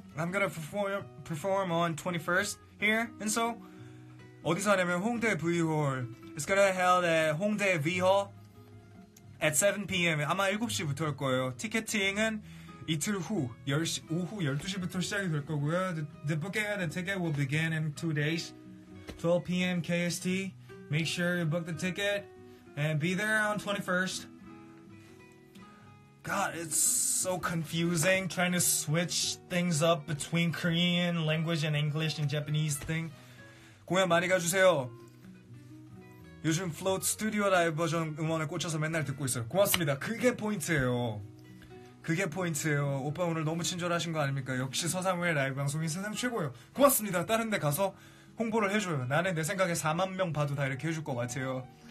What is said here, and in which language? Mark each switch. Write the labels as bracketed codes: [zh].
[en] I'm gonna perform on 21st here in Seoul. [ko] 어디서 하냐면 홍대 V홀. [en] It's gonna held at 홍대 V홀 at 7pm. [ko] 아마 7시부터 할 거예요. 티켓팅은 이틀 후 10시, 오후 12시부터 시작이 될 거고요. [en] The booking of the ticket will begin in 2 days. 12pm KST. Make sure you book the ticket and be there on 21st. God, it's so confusing trying to switch things up between Korean language and English and Japanese thing. [ko] 공연 많이 가주세요. 요즘 Float 스튜디오 라이브 버전 음원에 꽂혀서 맨날 듣고 있어요. 고맙습니다. 그게 포인트예요. 그게 포인트예요. 오빠 오늘 너무 친절하신 거 아닙니까? 역시 서상우의 라이브 방송이 세상 최고예요. 고맙습니다. 다른 데 가서 홍보를 해줘요. 나는 내 생각에 4만 명 봐도 다 이렇게 해줄 것 같아요.